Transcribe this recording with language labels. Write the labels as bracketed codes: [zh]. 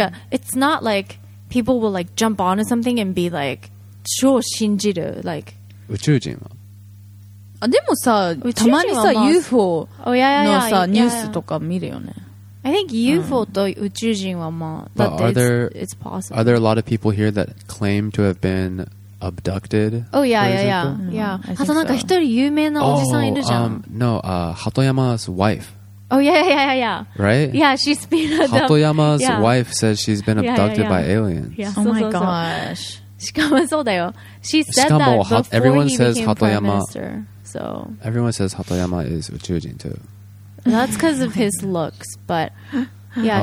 [en] It's not like people will like jump onto something and be like, [ja] 超信じる. [en] Like, [ja] 宇宙人は? でもさ、たまにさ、UFO のさ、ニュースとか見るよね。 [en] I think [ja] UFO と宇宙人はまあ、 [en] But are there, it's possible. Are there a lot of people here that claim to have been... abducted? Oh, yeah, yeah, yeah. Yeah. [ja] あとなんか一人有名なおじさんいるじゃん。 [en] Hatoyama's wife. Oh, yeah, yeah, yeah, yeah. Right? Yeah, she's been abducted. Hatoyama's wife says she's been abducted by aliens. Yeah. Oh, my gosh. [ja] しかもそうだよ。 [en] She said that before he became prime minister. So. Everyone says Hatoyama is 宇宙人 too. That's because of his looks, but... Yeah,